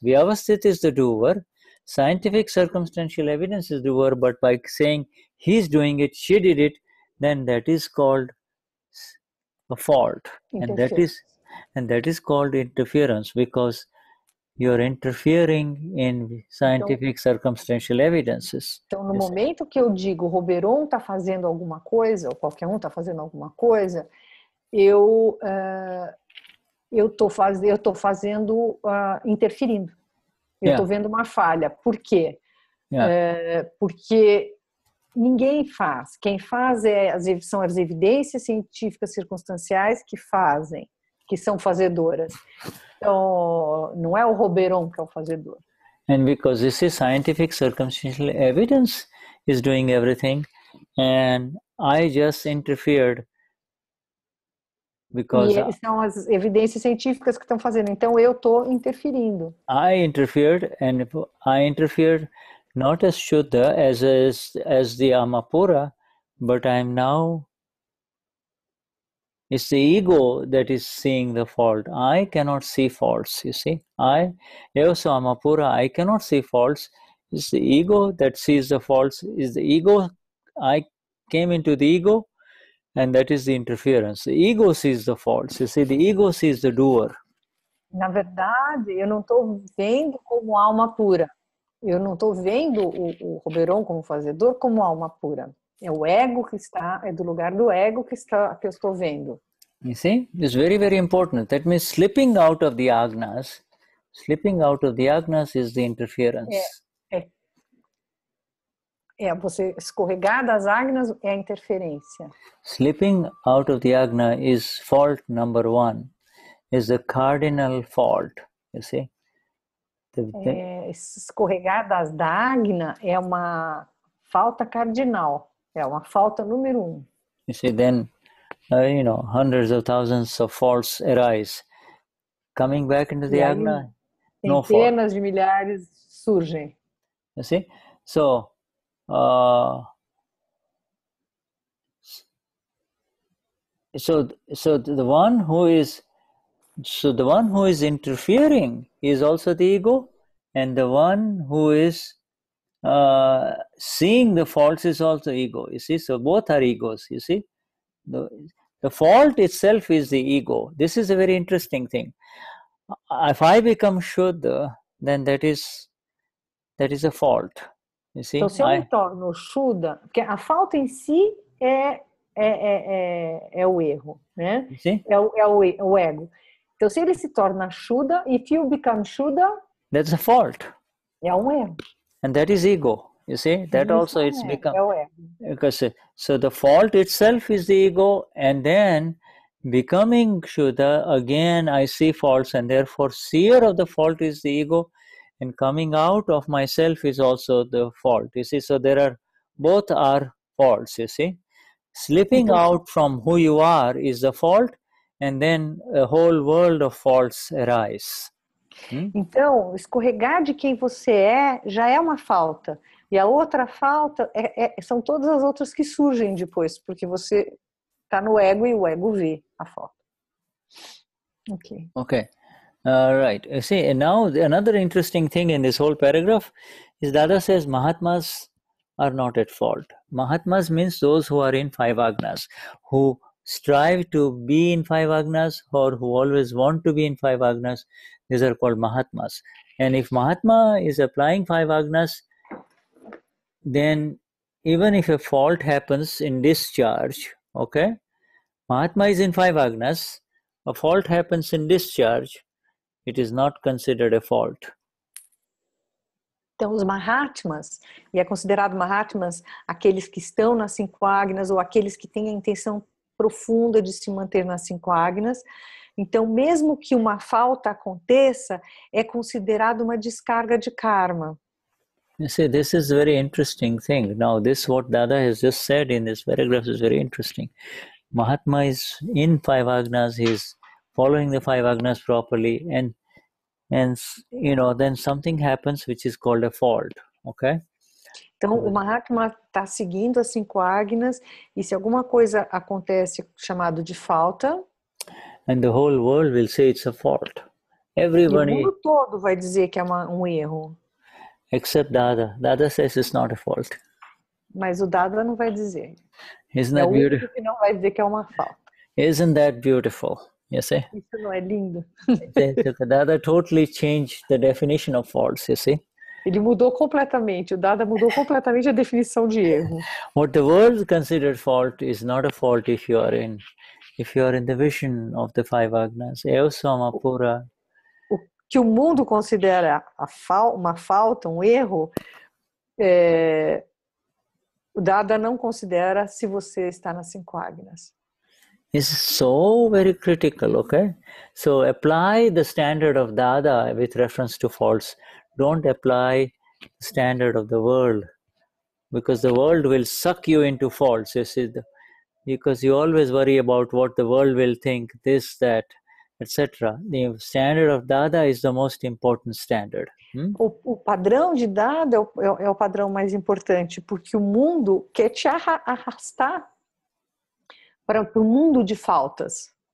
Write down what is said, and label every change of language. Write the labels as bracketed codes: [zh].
[en] Vyavasthit is the doer. Scientific circumstantial evidence is the word, but by saying he's doing it, she did it, then that is called a fault. And that is called interference because you're interfering in scientific circumstantial evidences. [pt] Então, no momento que eu digo Roberon está fazendo alguma coisa, ou qualquer um está fazendo alguma coisa, eu tô fazendo interferindo. Eu estou vendo uma falha. Por quê? Yeah. Porque ninguém faz. Quem faz são as evidências científicas circunstanciais que fazem, que são fazedoras. Então, não é o Roberon que é o fazedor. [en] And because this is scientific circumstantial evidence is doing everything, and I just interfered because... [pt] E são as evidências científicas que estão fazendo, então eu estou interferindo. [en] I interfered, and I interfered not as Shuddha, as the Amapura, but I am now... It's the ego that is seeing the fault. I cannot see faults, you see. [pt] Eu sou Amapura, [en] I cannot see faults. It's the ego that sees the faults. It's the ego, I came into the ego, and that is the interference. The ego sees the faults, you see. The ego sees the doer. [pt] Na verdade, eu não estou vendo como alma pura. Eu não estou vendo o Roberon como fazedor, como alma pura. É o ego que está, é do lugar do ego que eu estou vendo. [en] You see, it's very, very important. That means slipping out of the agnas. Slipping out of the agnas is the interference. [pt] É você escorregar das agnas é a interferência. [en] Slipping out of the agna is fault number one. Is the cardinal fault, you see. [pt] Escorregar das agna é uma falta cardinal. É uma falta número um. [en] You see, then, you know, hundreds of thousands of faults arise. Coming back into the agna, no fault. [pt] Centenas de milhares surgem. [en] You see? So, so the one who is interfering is also the ego, and the one who is seeing the faults is also ego. You see, so both are egos. You see, the fault itself is the ego. This is a very interesting thing. If I become Shuddha, then that is a fault. You see, [pt] então, se eu me torno Shuddha, porque a falta em si é o erro, né? É o ego. Então, se ele se torna Shuddha, [en] if you become Shuddha... That's a fault. [pt] É um erro. [en] And that is ego, you see? That [pt] isso [en] also [pt] é [en] it's ego. Become... [pt] É o ego. [en] Because, so, the fault itself is the ego, and then becoming Shuddha, again, I see faults, and therefore, seer of the fault is the ego. And coming out of myself is also the fault, you see. So there are, both are faults, you see. Slipping out from who you are is the fault, and then a whole world of faults arise. [pt] Então, escorregar de quem você é já é uma falta. E a outra falta são todas as outras que surgem depois, porque você está no ego e o ego vê a falta. Ok. Ok. Right. [en] You see, and now another interesting thing in this whole paragraph is Dada says Mahatmas are not at fault. Mahatmas means those who are in five agnas, who strive to be in five agnas or who always want to be in five agnas. These are called Mahatmas. And if Mahatma is applying five agnas, then even if a fault happens in discharge, okay, Mahatma is in five agnas, a fault happens in discharge, it is not considered a fault. [pt] Então, os Mahatmas, e é considerado Mahatmas aqueles que estão nas cinco agnas ou aqueles que têm a intenção profunda de se manter nas cinco agnas. Então, mesmo que uma falta aconteça, é considerado uma descarga de karma. [en] You see, this is very interesting thing. Now, this what Dada has just said in this paragraph is very interesting. Mahatma is in five agnas, he is following the five agnas properly, and you know, then something happens which is called a fault, okay? [pt] Então, o Mahatma está seguindo as cinco agnas, e se alguma coisa acontece chamado de falta... [en] And the whole world will say it's a fault. Everybody, [pt] e o mundo todo vai dizer que é um erro. [en] Except Dada. Dada says it's not a fault. [pt] Mas o Dada não vai dizer. [en] Isn't that beautiful? [pt] É o único que não vai dizer que é uma falta. [en] Isn't that beautiful? You see? [pt] Isso não é lindo? Dada totally changed the definition of faults, you see? Ele mudou completamente. O Dada mudou completamente a definição de erro. [en] What the world considered fault is not a fault if you are in... If you are in the vision of the five agnas, [pt] eu sou uma pura. O que o mundo considera uma falta, um erro, O Dada não considera se você está nas 5 Agnas. [en] It's so very critical, okay? So apply the standard of Dada with reference to faults. Don't apply standard of the world, because the world will suck you into faults. You see, because you always worry about what the world will think, this, that, etc. The standard of Dada is the most important standard. [pt] O padrão de Dada é o padrão mais importante, porque o mundo quer te arrastar para o mundo de faltas.